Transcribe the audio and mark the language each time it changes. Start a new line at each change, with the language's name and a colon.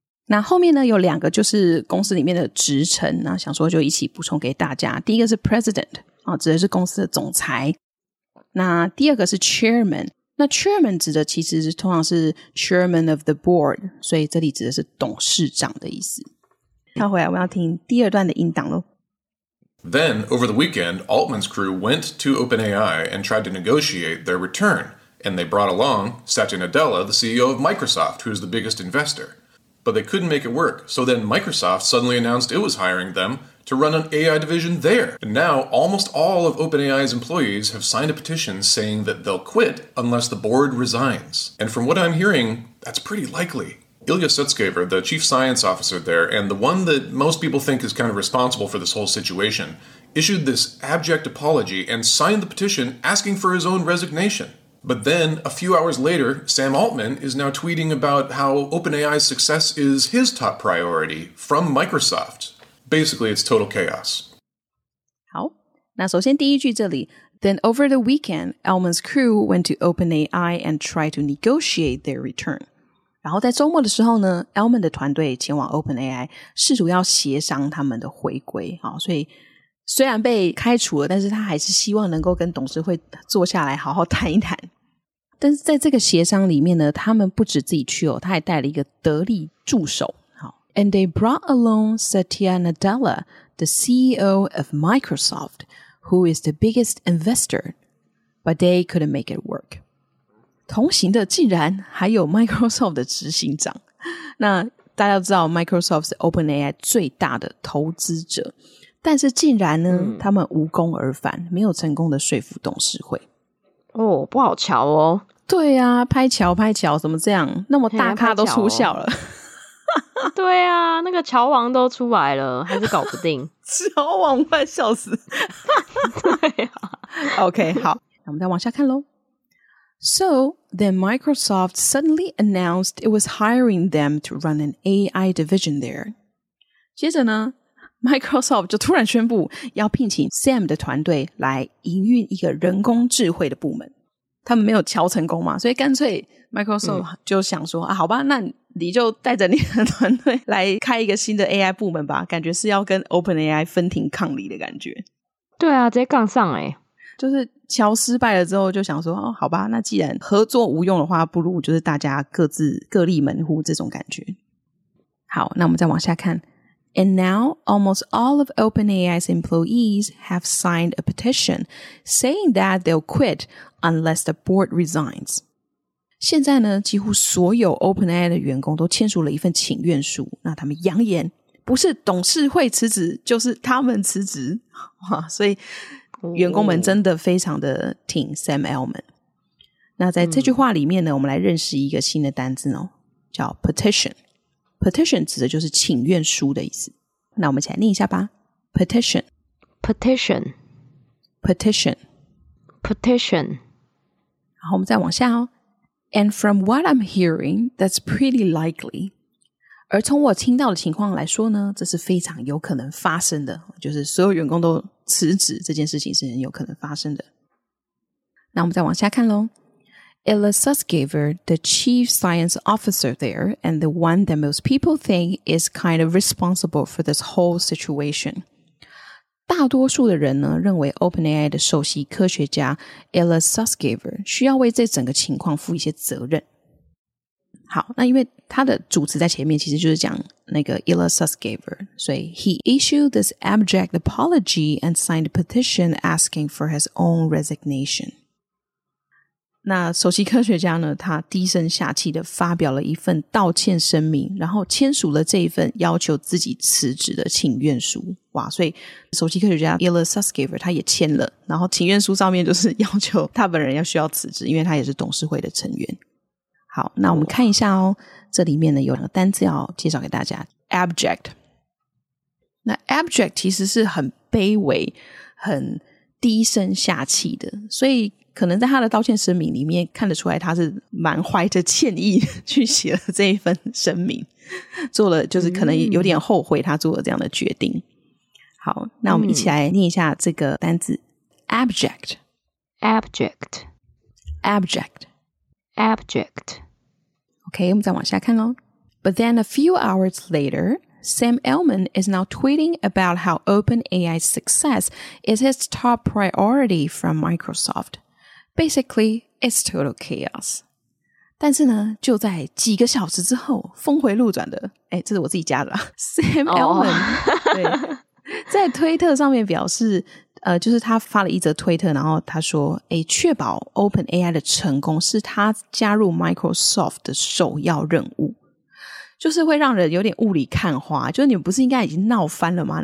Chinese: 那后面呢有两个就是公司里面的职称，那想说就一起补充给大家。第一个是 president， 指的是公司的总裁。那第二个是 chairman， 那 chairman 指的其实是通常是 chairman of the board， 所以这里指的是董事长的意思。跳回来我要听第二段的音档咯。
English: Then over the weekend Altman's crew went to OpenAI and tried to negotiate their return, and they brought along Satya Nadella, the CEO of Microsoft, who is the biggest investorBut they couldn't make it work. So then Microsoft suddenly announced it was hiring them to run an AI division there. And now almost all of OpenAI's employees have signed a petition saying that they'll quit unless the board resigns. And from what I'm hearing, that's pretty likely. Ilya Sutskever, the chief science officer there, and the one that most people think is kind of responsible for this whole situation, issued this abject apology and signed the petition asking for his own resignation. But then, a few hours later, Sam Altman is now tweeting about how OpenAI's success is his top priority from Microsoft. Basically, it's total chaos.
Chinese: 好，那首先第一句这里。
English: Then over the weekend, Altman's crew went to OpenAI and tried to negotiate their return.
Chinese: 然后在周末的时候呢 ，Altman 的团队前往 OpenAI， 试图要协商他们的回归。好，所以。虽然被开除了，但是他还是希望能够跟董事会坐下来好好谈一谈。但是在这个协商里面呢，他们不止自己去哦，他还带了一个得力助手。
English: 好 ，And they brought along Satya Nadella, the CEO of Microsoft, who is the biggest investor, but they couldn't make it work.
Chinese: 同行的竟然还有 Microsoft 的执行长。那大家都知道 ，Microsoft 是 OpenAI 最大的投资者。但是竟然呢、他们无功而返，没有成功的说服董事会。哦，不好瞧哦。对啊，拍桥拍桥，怎么这样，那么大咖都出笑了。对啊，那个桥王都出来了，还是搞不定。桥王快笑死。对啊。 OK， 好，那我们再往下看咯。
English: So, then Microsoft suddenly announced it was hiring them to run an AI division there.
Chinese: 接着呢Microsoft 就突然宣布要聘请 Sam 的团队来营运一个人工智慧的部门。他们没有敲成功嘛，所以干脆 Microsoft 就想说、啊，好吧，那你就带着你的团队来开一个新的 AI 部门吧，感觉是要跟 OpenAI 分庭抗礼的感觉。对啊，直接杠上欸。就是敲失败了之后就想说，哦，好吧，那既然合作无用的话，不如就是大家各自各立门户这种感觉。好，那我们再往下看。
English: And now, almost all of OpenAI's employees have signed a petition saying that they'll quit unless the board resigns.
Chinese: 现在呢，几乎所有 OpenAI 的员工都签署了一份请愿书，那他们扬言，不是董事会辞职，就是他们辞职。哇，所以员工们真的非常的挺 Sam Altman。那在这句话里面呢，我们来认识一个新的单字哦，叫 petition。 Petition 指的就是请愿书的意思。那我们一起来念一下吧。
English: Petition Petition Petition Petition。
Chinese: 然后我们再往下哦。
English: And from what I'm hearing, that's pretty likely.
Chinese: 而从我听到的情况来说呢，这是非常有可能发生的，就是所有员工都辞职这件事情是很有可能发生的。那我们再往下看咯。
English: Ilya Sutskever, the chief science officer there, and the one that most people think is kind of responsible for this whole situation.
Chinese: 大多数的人呢，认为 OpenAI 的首席科学家 Ilya Sutskever 需要为这整个情况负一些责任。好，那因为他的主词在前面其实就是讲那个 Ilasusgaver， 所以
English: He issued this abject apology and signed a petition asking for his own resignation。
Chinese: 那首席科学家呢，他低声下气的发表了一份道歉声明，然后签署了这一份要求自己辞职的请愿书。哇，所以首席科学家 Ilasusgaver 他也签了，然后请愿书上面就是要求他本人要需要辞职，因为他也是董事会的成员。好，那我们看一下哦，这里面呢有两个单字要介绍给大家。 Abject， 那 Abject 其实是很卑微很低声下气的，所以可能在他的道歉声明里面看得出来他是蛮怀着歉意去写了这一份声明，做了就是可能有点后悔他做了这样的决定。好，那我们一起来念一下这个单字。
English: Abject， Abject， Abject， Abject.
Chinese: Okay, 我们再往下看咯。
English: But then a few hours later, Sam Altman is now tweeting about how OpenAI's success is his top priority from Microsoft. Basically, it's total chaos.
Chinese: 但是呢，就在几个小时之后，峰回路转的，哎，这是我自己加的啦。 Sam Altman 在推特上面表示，就是他发了一则推特，然后他说诶，确保 OpenAI 的成功是他加入 Microsoft 的首要任务，就是会让人有点雾里看花，就是你们不是应该已经闹翻了吗？